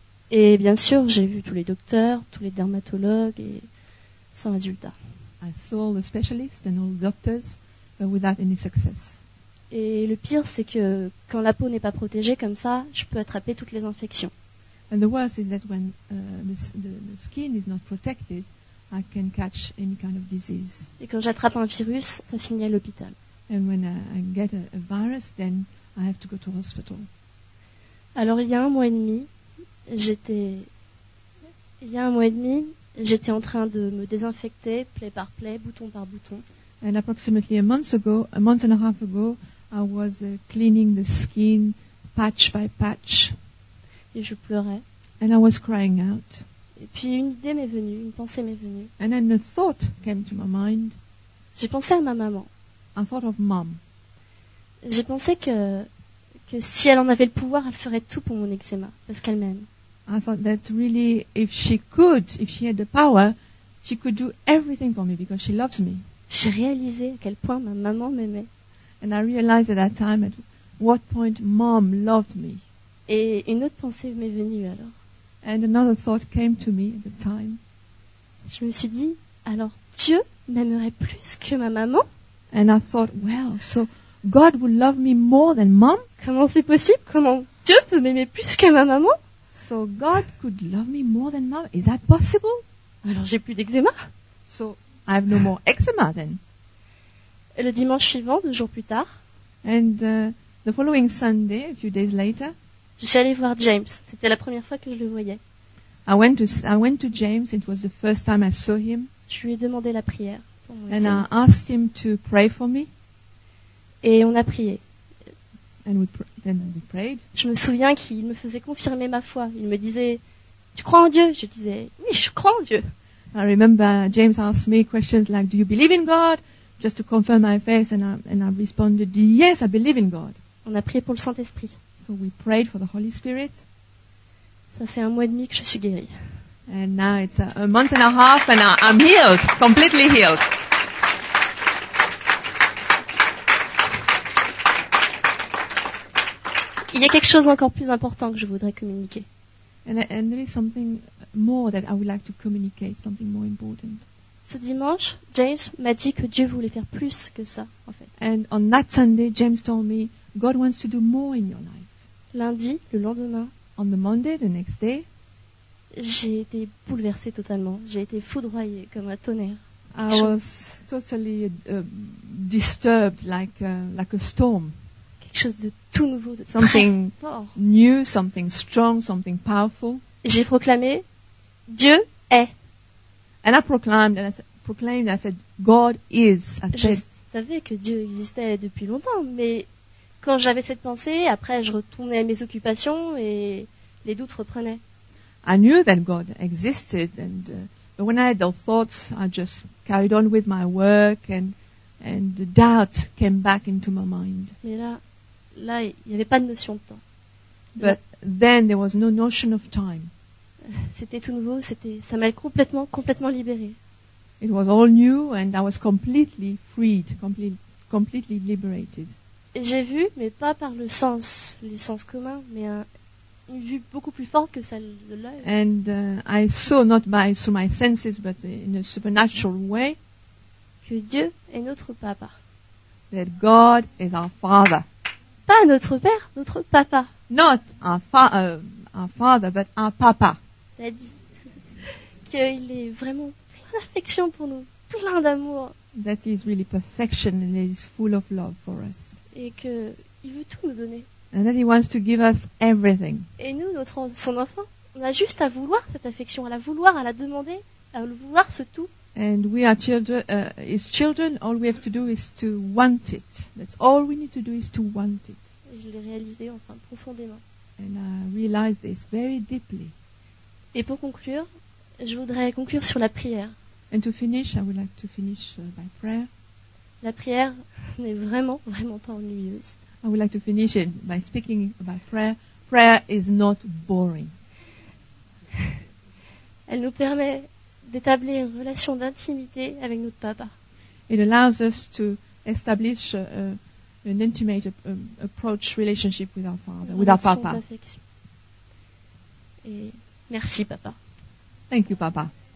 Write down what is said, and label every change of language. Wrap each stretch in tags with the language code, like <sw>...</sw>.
<fr>Et bien sûr, j'ai vu tous les docteurs, tous les dermatologues, et sans résultat.</fr> <en>I saw all the specialists and all the doctors, but without any success.</en> <fr>Et le pire, c'est que quand la peau n'est pas protégée comme ça, je peux attraper toutes les infections.</fr> <en>And the worst is that when the skin is not protected, I can catch any kind of disease.</en> <fr>Et quand j'attrape un virus, ça finit à l'hôpital.</fr> <en>And when I get a virus, then I have to go to hospital.</en> <fr>Alors il y a un mois et demi, j'étais en train de me désinfecter, plaie par plaie, bouton par bouton.</fr> <en>And approximately a month and a half ago, I was cleaning the skin, patch by patch.</en> <fr>Et je pleurais.</fr> <en>And I was crying out.</en> <fr>Et puis une idée m'est venue, une pensée m'est venue.</fr> <en>And then a thought came to my mind.</en> <fr>J'ai pensé à ma maman.</fr> <en>I thought of mom.</en> <fr>J'ai pensé que si elle en avait le pouvoir, elle ferait tout pour mon eczéma, parce qu'elle m'aime.</fr> <en>I thought that really, if she could, if she had the power, she could do everything for me because she loves me.</en> <fr>J'ai réalisé à quel point ma maman m'aimait.</fr> <en>And I realized at that time at what point mom loved me.</en> <fr>Et une autre pensée m'est venue alors.</fr> <en>And another thought came to me at the time.</en> <fr>Je me suis dit, alors Dieu m'aimerait plus que ma maman?</fr> <en>And I thought, well, so God would love me more than mom?</en> <fr>Comment c'est possible? Comment Dieu peut m'aimer plus que ma maman?</fr> <en>So God could love me more than mom? Is that possible?</en> <fr>Alors j'ai plus d'eczéma.</fr> <en>So I have no more eczema then.</en> <fr>Et le dimanche suivant, deux jours plus tard.</fr> <en>And the following Sunday, a few days later.</en> <fr>Je suis allée voir James. C'était la première fois que je le voyais.</fr> <en>I went to James. It was the first time I saw him.</en> <fr>Je lui ai demandé la prière.</fr> <en>And I asked him to pray for me.</en> <fr>Et on a prié.</fr> <en>And we prayed.</en> <fr>Je me souviens qu'il me faisait confirmer ma foi. Il me disait, tu crois en Dieu? Je disais, oui, je crois en Dieu.</fr> <en>I remember James asked me questions like, do you believe in God? Just to confirm my faith, and I responded, yes, I believe in God.</en> <fr>On a prié pour le Saint-Esprit.</fr> <en>So we prayed for the Holy Spirit.</en> <fr>Ça fait un mois et demi que je suis guérie.</fr> <en>And now it's a month and a half, and I'm healed, completely healed.</en> <fr>Il y a quelque chose encore plus important que je voudrais communiquer.</fr> <en>And there is something more that I would like to communicate, something more important.</en> <fr>Ce dimanche, James m'a dit que Dieu voulait faire plus que ça, en fait.</fr> <en>And on that Sunday, James told me God wants to do more in your life.</en> <fr>Lundi, le lendemain.</fr> <en>On the Monday, the next day.</en> <fr>J'ai été bouleversée totalement. J'ai été foudroyée comme un tonnerre.</fr> <en>I was totally disturbed, like a storm.</en> <fr>Quelque chose de tout nouveau, de</fr> <en>something</en> <fr>très fort.</fr> <en>New, something strong, something powerful.</en> <fr>J'ai proclamé, Dieu est.</fr> <en>And I proclaimed, and I said, God is.</en> <fr>Je savais que Dieu existait depuis longtemps, mais quand j'avais cette pensée, après je retournais à mes occupations et les doutes reprenaient.</fr> <en>I knew that God existed, and but when I had those thoughts, I just carried on with my work, and the doubt came back into my mind.</en> <fr>Mais là, il n'y avait pas de notion de temps.</fr> <en>But then there was no notion of time.</en> <fr>C'était tout nouveau, ça m'a complètement libérée.</fr> <en>It was all new and I was completely freed, completely liberated.</en> <fr>Et j'ai vu, mais pas par le sens commun, mais une vue beaucoup plus forte que celle de l'œil.</fr> <en>And I saw not by through my senses but in a supernatural way</en> <fr>que Dieu est notre papa.</fr> <en>That God is our father.</en> <fr>Pas notre père, notre papa.</fr> <en>Not our father but our papa.</en> <fr>Il a dit qu'il est vraiment plein d'affection pour nous, plein d'amour.</fr> <en>That is really perfection and it is full of love for us.</en> <fr>Et qu'il veut tout nous donner.</fr> <en>And that he wants to give us everything.</en> <fr>Et nous, son enfant, on a juste à vouloir cette affection, à la vouloir, à la demander, à vouloir ce tout.</fr> <en>And we are children, his children, all we have to do is to want it. That's all we need to do is to want it.</en> <fr>Et je l'ai réalisé enfin profondément.</fr> <en>And I realized this very deeply.</en> <fr>Et pour conclure, je voudrais conclure sur la prière.</fr> <en>And to finish, I would like to finish by prayer.</en> <fr>La prière n'est vraiment, vraiment pas ennuyeuse.</fr> <en>I would like to finish it by speaking about prayer. Prayer is not boring.</en> <fr>Elle nous permet d'établir une relation d'intimité avec notre papa.</fr> <en>It allows us to establish an intimate approach relationship with our father, with our papa.</en> <fr>Merci, papa.</fr> <en>Thank you, papa.</en>